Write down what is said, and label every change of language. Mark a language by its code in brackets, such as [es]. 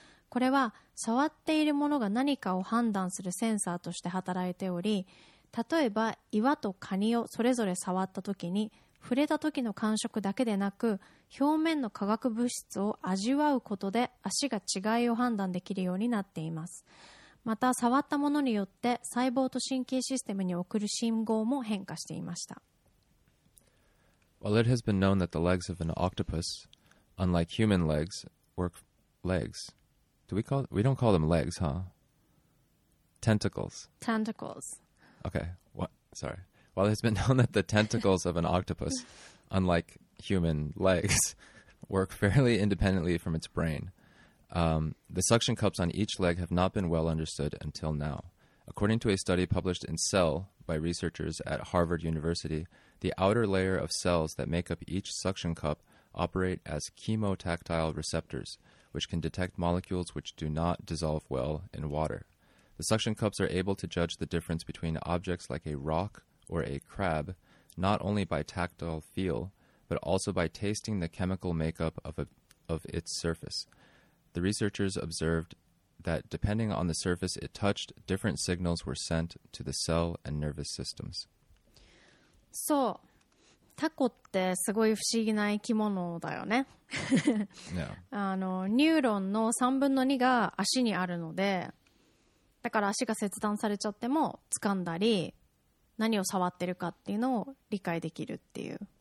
[ja] これは触っているものが何かを判断するセンサーとして働いており、例えば岩とカニをそれぞれ触った時に、触れた時の感触だけでなく表面の化学物質を味わうことで足が違いを判断できるようになっています。また触ったものによって細胞と神経システムに送る信号も変化していました。 [en] Well, it has been known that the legs of an octopus, unlike human legs, work legs. We don't call them legs, huh? Tentacles. Tentacles. Okay, what? Sorry. Well, it's been known that the tentacles of an octopus, unlike human legs, work fairly independently from its brain. The suction cups on each leg have not been well understood until now. According to a study published in Cell by researchers at Harvard University, the outer layer of cells that make up each suction cup operate as chemotactile receptors,which can detect molecules which do not dissolve well in water. The suction cups are able to judge the difference between objects like a rock or a crab, not only by tactile feel, but also by tasting the chemical makeup of its surface. The researchers observed that depending on the surface it touched, different signals were sent to the cell and nervous systems. [ja] So, タコってすごい不思議な生き物だよね。 <Yeah. S 1> ニューロンの3分の2が足にあるので、だから足が切断されちゃっても掴んだり何を触ってるかっていうのを理解できるっていう、